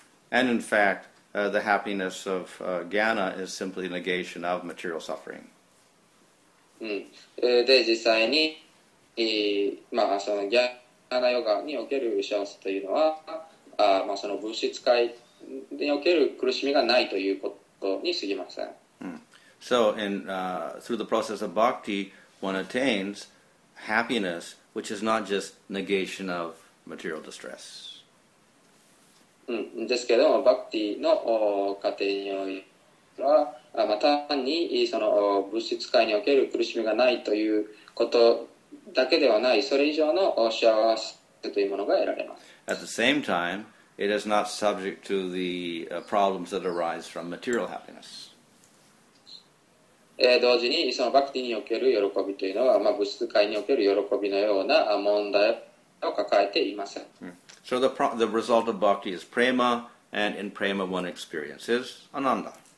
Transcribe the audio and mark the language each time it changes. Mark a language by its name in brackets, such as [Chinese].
[English] And in fact, the happiness of Jnana is simply negation of material suffering. [Japanese] で実際に、まあ、そのギャアナヨガにおける幸せというのは、まあ、その物質界における苦しみがないということにすぎません。 [English] So in, through the process of bhakti, one attains happiness, which is not just negation of material distress. [Japanese] ですけども、bhakti の過程においては、まあ、単にその物質界における苦しみがないということだけではない、それ以上の幸せというものが得られます。 [English] At the same time, it is not subject to the problems that arise from material happiness. [Japanese] 同時にそのバクティにおける喜びというのは、まあ、物質界における喜びのような問題を抱えていません。 [English] So the result of bhakti is prema, and in prema one experiences ananda.